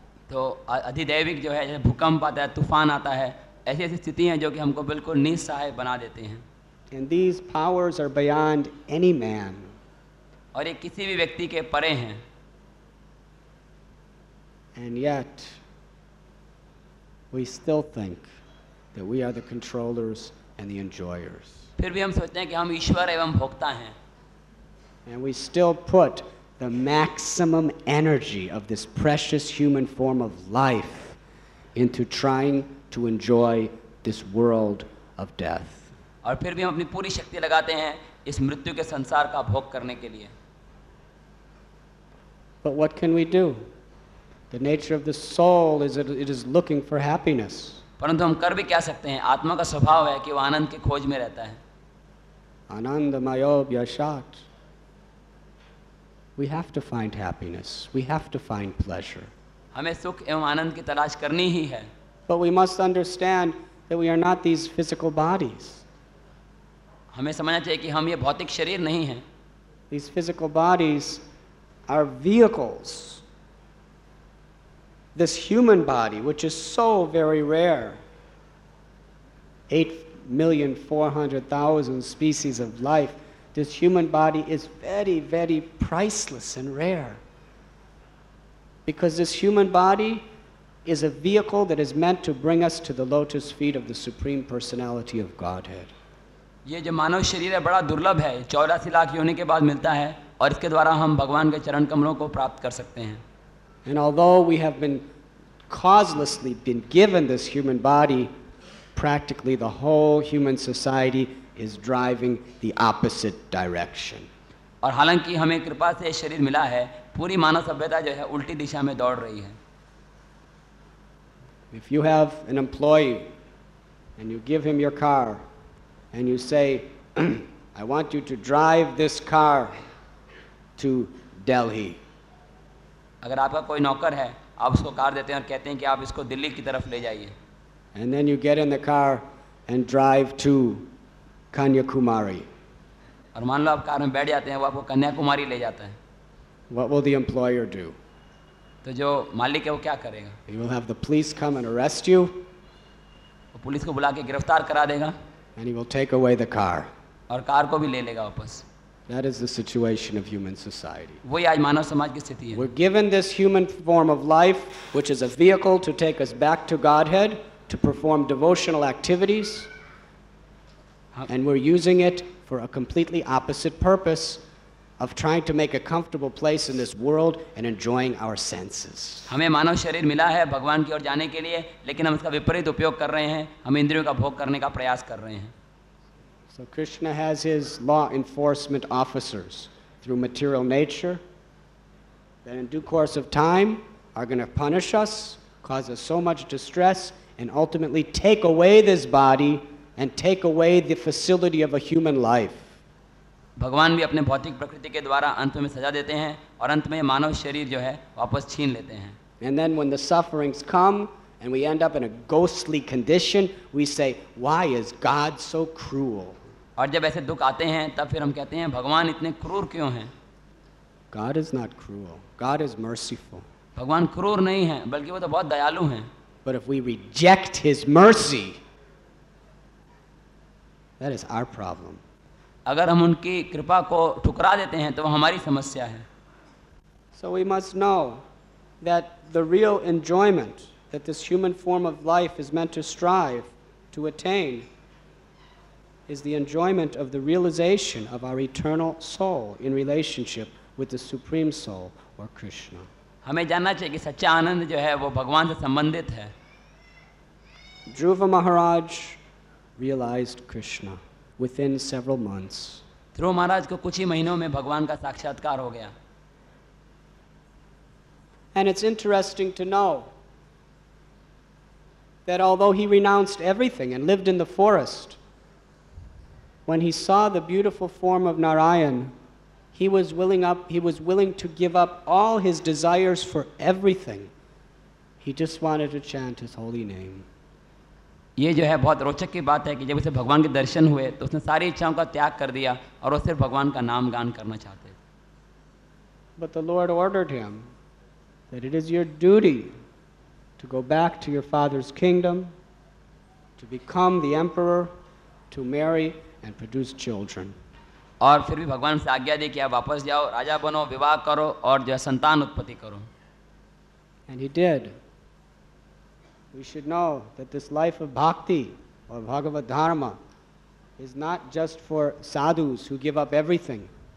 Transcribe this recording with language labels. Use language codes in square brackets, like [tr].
[hi] तो अधिदैविक जो है भूकंप आता है तूफान आता है ऐसी ऐसी स्थितियां हैं जो कि हमको बिल्कुल निस्सहाय बना देते हैं [en] And these powers are beyond any man. [hi] और ये किसी भी व्यक्ति के परे हैं [en] and yet we still think that we are the controllers and the enjoyers [hi] फिर भी हम सोचते हैं कि हम ईश्वर एवं भोक्ता हैं [en] and we still put the maximum energy of this precious human form of life into trying to enjoy this world of death [hi] और फिर भी हम अपनी पूरी शक्ति लगाते हैं इस मृत्यु के संसार का भोग करने के लिए [en] But what can we do? The nature of the soul is that it is looking for happiness. [hi] परंतु हम कर भी क्या सकते हैं, आत्मा का स्वभाव है कि वह आनंद की खोज में रहता है. [sa] आनंद मयो व्यशात. [en] We have to find happiness. We have to find pleasure. [hi] हमें सुख एवं आनंद की तलाश करनी ही है. [en] But we must understand that we are not these physical bodies. [hi] हमें समझना चाहिए कि हम ये भौतिक शरीर नहीं हैं. [en] These physical bodies are vehicles. This human body, which is so very rare, 8,400,000 species of life, this human body is very, very priceless and rare. Because this human body is a vehicle that is meant to bring us to the lotus feet of the Supreme Personality of Godhead. [hi] ये जो मानव शरीर है बड़ा दुर्लभ है, 84 लाख योनि के बाद मिलता है, और इसके द्वारा हम भगवान के चरण कमलों को प्राप्त कर सकते हैं. [en] And although we have been causelessly been given this human body, practically the whole human society is driving the opposite direction. [hi] और हालांकि हमें कृपा से यह शरीर मिला है, पूरी मानव सभ्यता जो है उल्टी दिशा में दौड़ रही है. [en] If you have an employee and you give him your car and you say, I want you to drive this car to Delhi. [hi] अगर आपका कोई नौकर है, आप उसको कार देते हैं और कहते हैं कि आप इसको दिल्ली की तरफ ले जाइए. [en] And then you get in the car and drive to Kanyakumari. [hi] और मान लो आप कार में बैठ जाते हैं, वो आपको कन्याकुमारी ले जाता है. [en] What will the employer do? [hi] तो जो मालिक है वो क्या करेगा? [en] He will have the police come and arrest you. [hi] वो पुलिस को बुला के गिरफ्तार करा देगा. [en] And he will take away the car. [hi] और कार को भी ले लेगा वापस. [en] That is the situation of human society. [hi] वही आज मानव समाज की स्थिति है. [en] We're given this human form of life, which is a vehicle to take us back to Godhead, to perform devotional activities, and we're using it for a completely opposite purpose of trying to make a comfortable place in this world and enjoying our senses. [hi] हमें मानव शरीर मिला है भगवान की ओर जाने के लिए, लेकिन हम इसका विपरीत उपयोग कर रहे हैं, हम इंद्रियों का भोग करने का प्रयास कर रहे हैं. [en] So Krishna has his law enforcement officers through material nature that in due course of time are going to punish us, cause us so much distress, and ultimately take away this body and take away the facility of a human life. [hi] भगवान भी अपने भौतिक प्रकृति के द्वारा अंत में सजा देते हैं और अंत में मानव शरीर जो है वापस छीन लेते हैं. [en] And then when the sufferings come and we end up in a ghostly condition, we say, why is God so cruel? [hi] और जब ऐसे दुख आते हैं तब फिर हम कहते हैं भगवान इतने क्रूर क्यों हैं? [en] God is not cruel. God is merciful. [hi] भगवान क्रूर नहीं है बल्कि वो तो बहुत दयालु हैं. [en] But if we reject his mercy, that is our problem. [hi] अगर हम उनकी कृपा को ठुकरा देते हैं तो वो हमारी समस्या है. [en] So we must know that the real enjoyment that this human form of life is meant to strive to attain is the enjoyment of the realization of our eternal soul in relationship with the Supreme Soul or Krishna. [hi] हमें जानना चाहिए कि सच्चा आनंद जो है वो भगवान से संबंधित है. [en] Dhruva Maharaj realized Krishna within several months. [hi] ध्रुव महाराज को कुछ ही महीनों में भगवान का साक्षात्कार हो गया. [en] And it's interesting to know that although he renounced everything and lived in the forest, when he saw the beautiful form of Narayan, he was willing to give up all his desires for everything. He just wanted to chant his holy name. [hi] ये जो है बहुत रोचक की बात है कि जब उसे भगवान के दर्शन हुए तो उसने सारी इच्छाओं का त्याग कर दिया और वो सिर्फ भगवान का नाम गान करना चाहते थे. [en] But the Lord ordered him that it is your duty to go back to your father's kingdom, to become the emperor, to marry and produce children. [hi] और फिर भी भगवान से आज्ञा दी कि आप वापस जाओ, राजा बनो, विवाह करो और जो है संतान उत्पत्ति करो. [en] And he did. We should know that this life of bhakti or Bhagavad Dharma is not just for sadhus who give up everything.